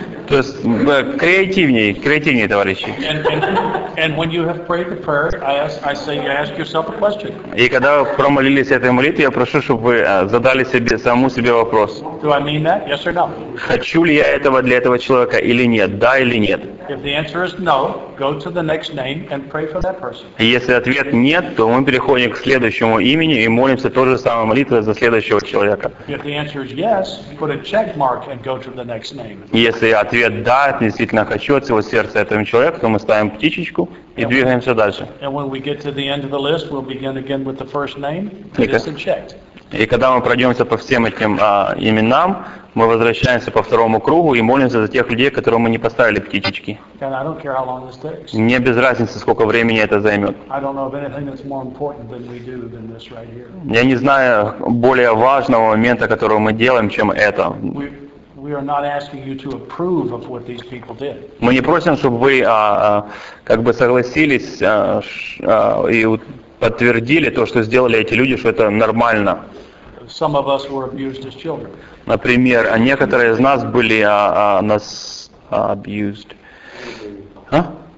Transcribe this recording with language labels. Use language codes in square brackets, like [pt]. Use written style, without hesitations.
[ru] То есть креативнее, товарищи. [en] And when you have prayed the prayer, I ask yourself a question. [ru] И когда вы промолились этой молитвой, я прошу, чтобы вы задали себе самому себе вопрос. [en] Do I mean that? Yes or no? [ru] Хочу ли я этого для этого человека или нет? Да или нет? [en] If the answer is no, go to the next name and pray for that person. [ru] Если ответ нет, то мы переходим к следующему имени и молимся той же самой молитвой за следующего человека. [en] If the answer is yes, put a check mark and go to the next name. [ru] Если ответ да, действительно хочу от всего сердца этому человеку, то мы ставим птичечку и двигаемся дальше. [en] And when we get to the end of the list, we'll begin again with the first name. [ru] И когда мы пройдемся по всем этим именам, мы возвращаемся по второму кругу и молимся за тех людей, которым мы не поставили птички. [en] And I don't care how long this takes. [ru] Мне без разницы, сколько времени это займет. Я не знаю более важного момента, который мы делаем, чем это. [en] We are not asking you to approve of what these people did. [ru] Мы не просим, чтобы вы как бы согласились и подтвердили то, что сделали эти люди, что это нормально. [en] Some of us were abused as children. [ru] Например, некоторые из нас были нас abused. А?